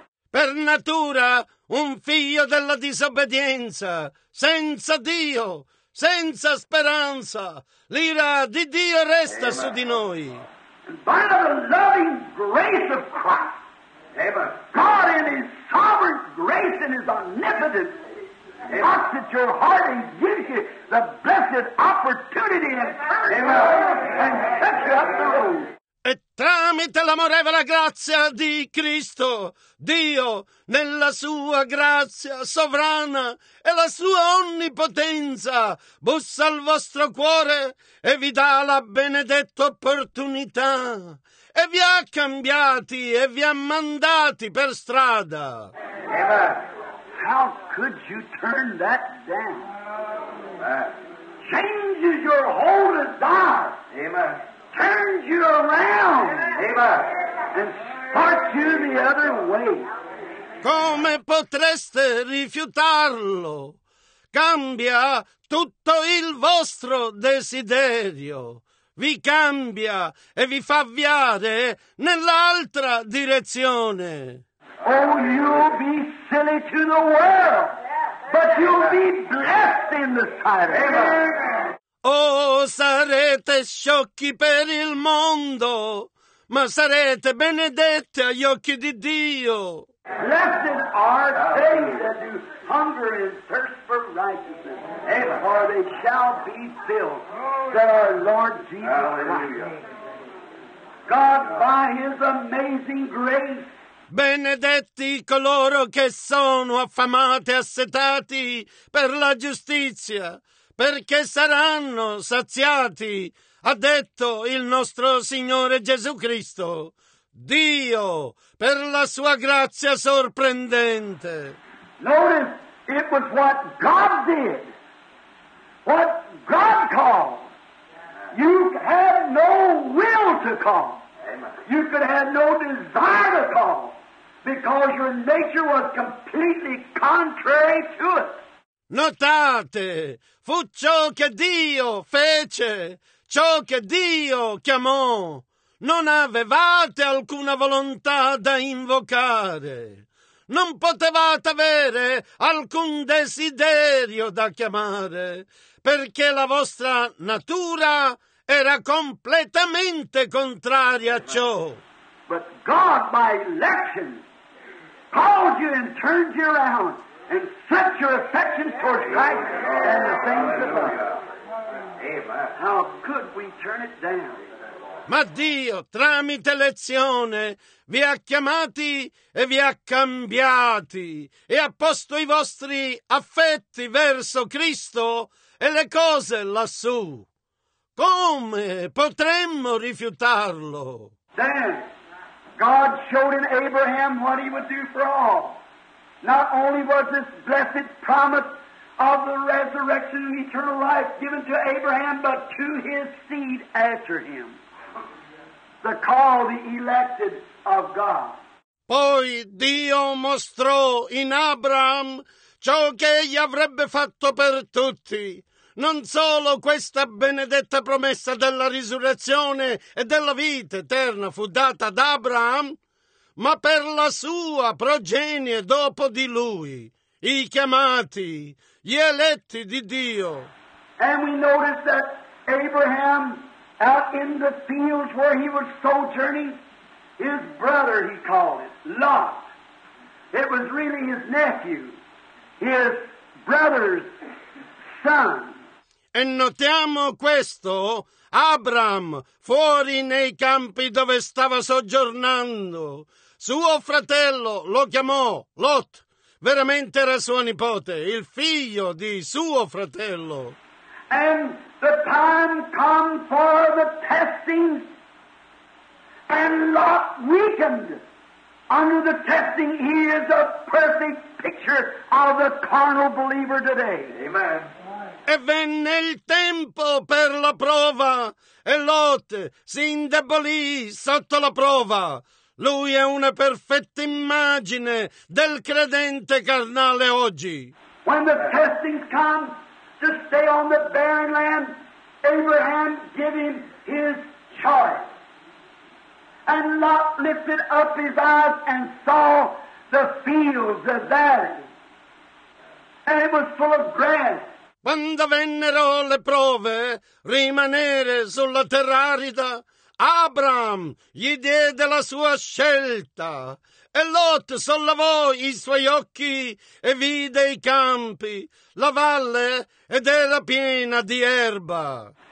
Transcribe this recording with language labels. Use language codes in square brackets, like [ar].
[it] Per natura, un figlio della disobbedienza, senza Dio, senza speranza, l'ira di Dio resta Amen. Su di noi. [en] By the loving grace of Christ, Amen. God in His sovereign grace and His omnipotence, Amen. Knocks at your heart and gives you the blessed opportunity and turns and sets you up the road. [it] E tramite l'amorevole grazia di Cristo, Dio, nella sua grazia sovrana e la sua onnipotenza, bussa al vostro cuore e vi dà la benedetta opportunità. E vi ha cambiati e vi ha mandati per strada. Amen. [en] How could you turn that down? Changes your whole desire. Amen. Turns you around, Amen. And starts you the other way. [it] Come potreste rifiutarlo? Cambia tutto il vostro desiderio. Vi cambia e vi fa avviare nell'altra direzione. [en] Oh, you'll be silly to the world, but you'll be blessed in the sight of God. [it] Oh, sarete sciocchi per il mondo, ma sarete benedetti agli occhi di Dio. [en] Blessed are they that do hunger and thirst for righteousness, and for they shall be filled, said our Lord Jesus Christ. God, by His amazing grace, [it] benedetti coloro che sono affamati e assetati per la giustizia, perché saranno saziati, ha detto il nostro Signore Gesù Cristo. Dio, per la sua grazia sorprendente. [en] Notice, it was what God did, what God called. You had no will to call. You could have no desire to call, because your nature was completely contrary to it. [it] Notate, fu ciò che Dio fece, ciò che Dio chiamò. Non avevate alcuna volontà da invocare. Non potevate avere alcun desiderio da chiamare, perché la vostra natura era completamente contraria a ciò. [en] But God, by election, called you and turned you around and set your affections towards Christ and the things above. How could we turn it down? [it] Ma Dio, tramite lezione, vi ha chiamati e vi ha cambiati e ha posto i vostri affetti verso Cristo e le cose lassù. Come potremmo rifiutarlo? [en] Then, God showed in Abraham what he would do for all. Not only was this blessed promise of the resurrection and eternal life given to Abraham, but to his seed after him. The call, the elected of God. [it] Poi Dio mostrò in Abraham ciò che egli avrebbe fatto per tutti, non solo questa benedetta promessa della risurrezione e della vita eterna fu data ad Abraham, ma per la sua progenie dopo di lui, i chiamati, gli eletti di Dio. [en] And we notice that Abraham, out in the fields where he was sojourning, his brother, he called it, Lot. It was really his nephew, his brother's son. [it] E notiamo questo, Abram, fuori nei campi dove stava soggiornando, suo fratello lo chiamò Lot. Veramente era suo nipote, il figlio di suo fratello. [en] And the time come for the testing, and Lot weakened under the testing. He is a perfect picture of the carnal believer today. Amen. [it] E venne il tempo per la prova, e Lot si indebolì sotto la prova. Lui è una perfetta immagine del credente carnale oggi. [en] When the testing come to stay on the barren land, Abraham gave him his choice. And Lot lifted up his eyes and saw the fields, the valley. And it was full of grass. [it] Quando vennero le prove, rimanere sulla terra arida, Abram gli diede la sua scelta. E Lot sollevò i suoi occhi e vide i campi, la valle, ed era piena di erba.